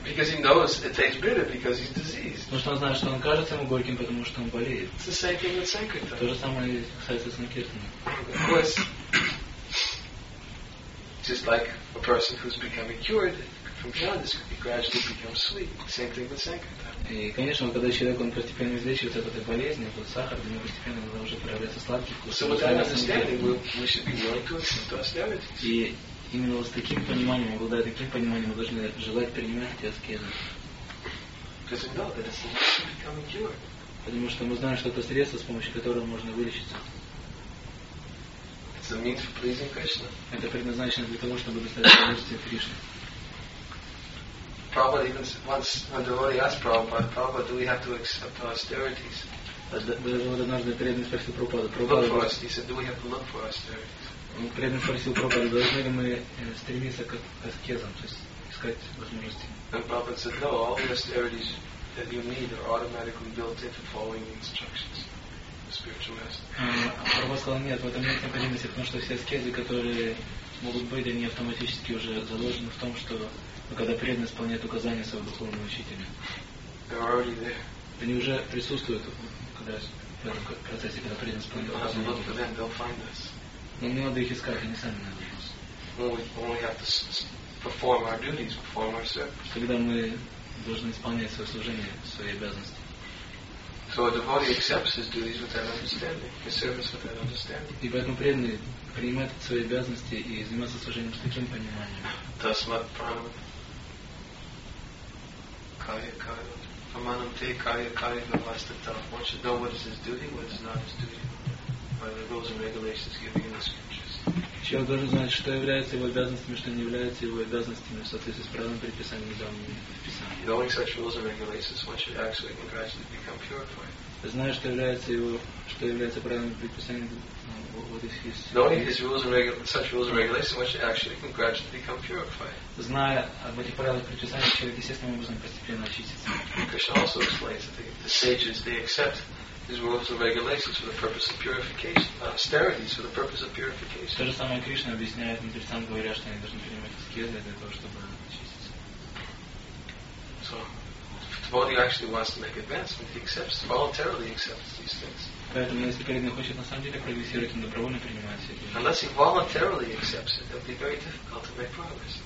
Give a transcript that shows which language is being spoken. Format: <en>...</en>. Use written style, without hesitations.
<en>Because he knows it tastes bitter because he's diseased.</en> <ru>Потому что он знает, что он кажется ему горьким, потому что он болеет.</ru> <en>It's the same thing with sankirtan.</en> <ru>То же самое касается санкиртана.</ru> <en>Of course. Just like a person who's becoming cured from jaundice, he gradually becomes sweet. Same thing with sankirtan.</en> <ru>И, конечно, когда человек он постепенно излечивается от этой болезни, от сахар, для него постепенно он уже проявляется сладкий вкус.</ru> <en>So with that understanding, we should be willing to accept austerities.</en> <ru>И именно с таким пониманием, обладая таким пониманием, мы должны желать принимать эти аскезы.</ru> <en>Because we know that it's a means of becoming cured.</en> <ru>Потому что мы знаем, что это средство, с помощью которого можно вылечиться.</ru> <en>It's a means for pleasing Krishna.</en> <ru>Это предназначено для того, чтобы доставить удовольствие Кришне.</ru> <en>Prabhupada even once when devotee asked Prabhupada, do we have to accept austerities?</en> <ru>Даже вот однажды преданный спросил Прабхупада,</ru> <en>He said, do we have to look for austerities?</en> <ru>Он преданно спросил Прабхупаду, должны ли мы стремиться к аскезам, то есть искать возможности.</ru> <en>And Prabhupada said, no, all the austerities that you need are automatically built into following the instructions.</en> <ru>Прабхупада сказал, нет, в этом нет необходимости, потому что все аскезы, которые могут быть, они автоматически уже заложены в том, что когда преданно исполняет указания своего духовного учителя.</ru> <en>They're already there.</en> <ru>Они уже присутствуют когда, в этом процессе, когда преданно исполняет указания.</ru> <en>Look for them, they'll find us.</en> <ru>Но не надо их искать, они сами найдут нас.</ru> <en>Perform our duties, perform our service.</en> <ru>Когда мы должны исполнять свое служение, свои обязанности.</ru> <en>So a devotee accepts his duties with that understanding, his service with that understanding.</en> <ru>И поэтому преданный принимает свои обязанности и занимается служением с таким пониманием. Thus what prana kaya kaya pramanam te kaya kaya vavastata.</ru> <en>One should know what is his duty, what is not his duty. The rules and regulations given in the scriptures.</en> <ru>Человек должен знать, что является его обязанностями, что не является его обязанностями в соответствии с правилами предписанием данными в Писании.</ru> <en>Knowing such rules and regulations, one should act so he can gradually become purified.</en> <ru>Зная, что является его, что является правилами предписанием,</ru> <en>what is his. Knowing these rules and such rules and regulations, one should actually can gradually become purified.</en> <ru>Зная об этих правилах предписания, человек естественным образом постепенно очистится.</ru> <en>Krishna also explains that the sages they accept. These rules and regulations for the purpose of purification. Austerities for the purpose of purification.</en> <ru>То же самое Кришна объясняет мудрецам, говоря, что они должны принимать аскезы для того, чтобы очиститься.</ru> <en>So, to devotee actually wants to make advancement, he accepts, voluntarily accepts these things. Unless he voluntarily accepts it, it'll be very difficult to make progress.</en>